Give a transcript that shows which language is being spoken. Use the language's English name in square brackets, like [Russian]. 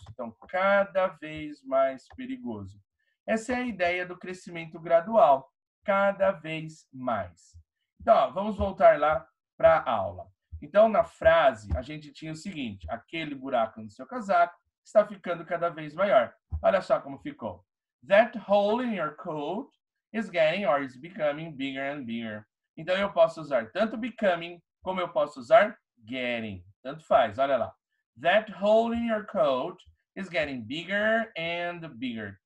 [Portuguese] Então, cada vez mais perigoso. Essa é a ideia do crescimento gradual, cada vez mais. Então, ó, vamos voltar lá para a aula. Então, na frase, a gente tinha o seguinte, aquele buraco no seu casaco está ficando cada vez maior. Olha só como ficou. [English] That hole in your coat is getting or is becoming bigger and bigger. [Portuguese] Então, eu posso usar tanto becoming como eu posso usar getting. Tanto faz, olha lá. [English] That hole in your coat is getting bigger and bigger.